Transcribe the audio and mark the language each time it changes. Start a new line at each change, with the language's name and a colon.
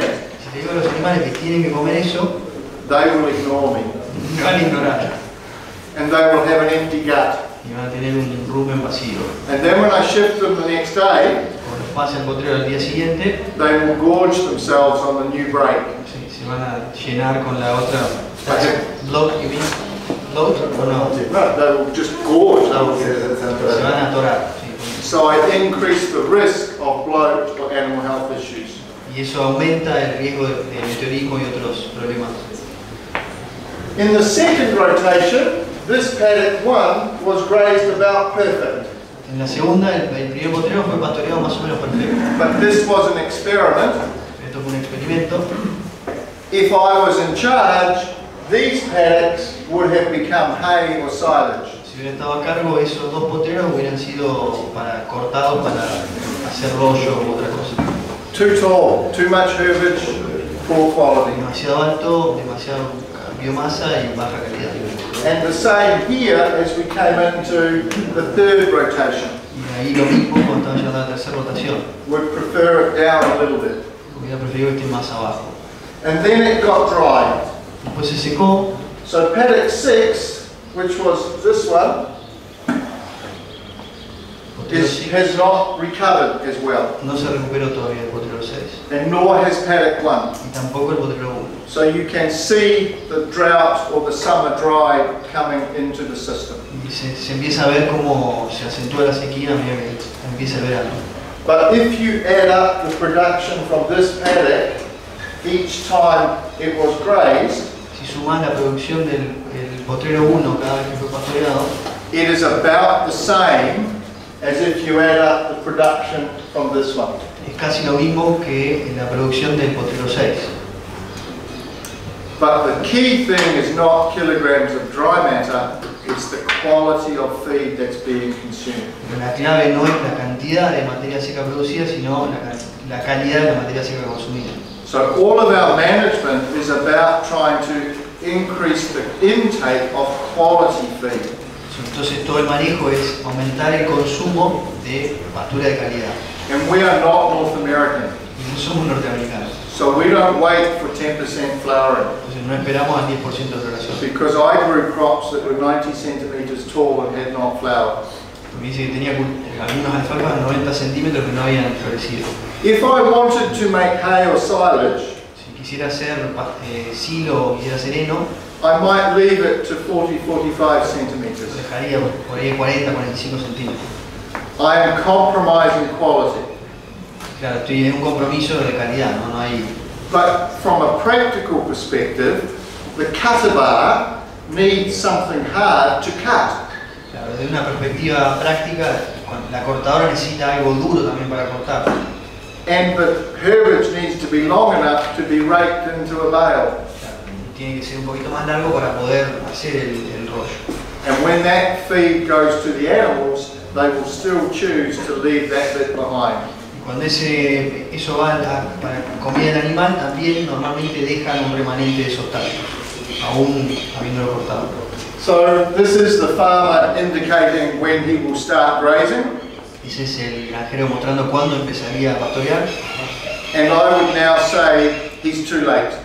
Spanish: si le digo a los animales que tienen que comer eso,
English: they will ignore me.
Spanish: Van a ignorar.
English: And they will have an empty gut.
Spanish: Y van a tener un rumen vacío.
English: And then when I shift them the next day,
Spanish: pase al potrero al día siguiente,
English: they will gorge themselves on the new break.
Spanish: Sí, se van a llenar con la otra.
English: Block, you mean? Block, or no? No, they will just gorge.
Spanish: Ah, okay. Se van a atorar. Sí.
English: So I increase the risk of bloat for animal health issues.
Spanish: Y eso aumenta el riesgo de meteorismo y otros problemas.
English: In the second rotation, this paddock one was grazed about perfect.
Spanish: En la segunda, el primer potrero fue pastoreado más o menos perfecto.
English: But this was an experiment.
Spanish: Esto fue un experimento.
English: If I was in charge, these paddocks would have become hay or silage.
Spanish: Si hubiera estado a cargo, esos dos potreros hubieran sido cortados para hacer rollo u otra cosa.
English: Too tall, too much herbage, poor quality.
Spanish: Demasiado alto, demasiado biomasa y baja calidad.
English: And the same here as we came into the third rotation.
Spanish: Y ahí lo mismo cuando estaba llegando a la tercera rotación.
English: We'd prefer it down a little bit.
Spanish: Hubiera preferido este más abajo.
English: And then it got dry.
Spanish: Después se secó.
English: So paddock 6, which was this one, has not recovered as well.
Spanish: No se recuperó todavía el potrero 6.
English: And nor has paddock 1.
Spanish: Y tampoco el potrero 1.
English: So you can see the drought or the summer dry coming into the system.
Spanish: Y se empieza a ver cómo se acentúa la sequía, mira, empieza a ver algo.
English: But if you add up the production from this paddock each time it was grazed,
Spanish: si sumas la producción del potrero 1 cada vez que fue pastoreado,
English: it is about the same as if you add up the production from this one.
Spanish: Es casi lo mismo que en la producción del potrero 6.
English: But the key thing is not kilograms of dry matter, it's the quality of feed that's being consumed.
Spanish: La clave no es la cantidad de materia seca producida, sino la calidad de la materia seca consumida.
English: So all of our management is about trying to increase the intake of quality feed.
Spanish: Entonces todo el manejo es aumentar el consumo de pastura de calidad.
English: And we are not North American.
Spanish: Y no somos norteamericanos.
English: So we don't wait for 10% flowering.
Spanish: Entonces no esperamos al 10% de floración.
English: Because I grew crops that were 90 centimeters tall and had not flowered.
Spanish: Porque dice que tenía algunas alfalfas de 90 centímetros que no habían florecido.
English: If I wanted to make hay or silage,
Spanish: si quisiera hacer silo o quisiera hacer heno,
English: I might leave it to 40-45 centimeters.
Spanish: Dejaría por ahí 40-45 centímetros.
English: I am compromising quality.
Spanish: Claro, estoy en un compromiso de calidad, no hay.
English: But from a practical perspective, the cutter bar needs something hard to cut.
Spanish: Claro, desde una perspectiva práctica, la cortadora necesita algo duro también para cortar.
English: And the herbage needs to be long enough to be raked into a bale.
Spanish: Claro, tiene que ser un poquito más largo para poder hacer el rollo.
English: And when that feed goes to the animals, they will still choose to leave that bit behind.
Spanish: Cuando eso va para comida del animal, también normalmente dejan un remanente de esos tallos, aún habiéndolo cortado.
English: So this is the farmer indicating when he will start grazing.
Spanish: Ese es el granjero mostrando cuándo empezaría a pastorear.
English: And I would now say he's too late.